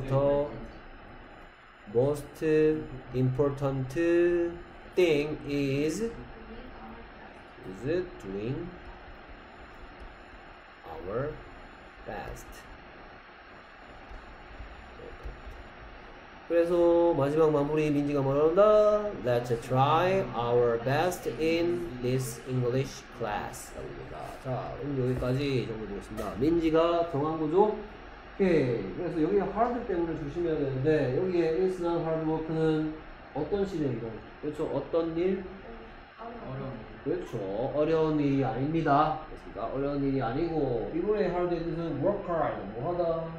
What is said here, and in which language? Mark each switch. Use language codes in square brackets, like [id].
[en] The most important thing is doing our best. [ko] 그래서 마지막 마무리 민지가 뭐라 한다? [en] Let's try our best in this English class. [ko] 자, 오늘 여기까지 정리 되었습니다. 민지가 정한 거죠? 오케이. 그래서 여기에 hard 때문에 조심해야 되는데 여기에 is not hard work는 어떤 시대인가요? 그렇죠. 어떤 일? 그렇죠. 어려운 일이 아닙니다. 그렇습니까? 어려운 일이 아니고 이번에 하루 뜻은 work hard. 뭐하다?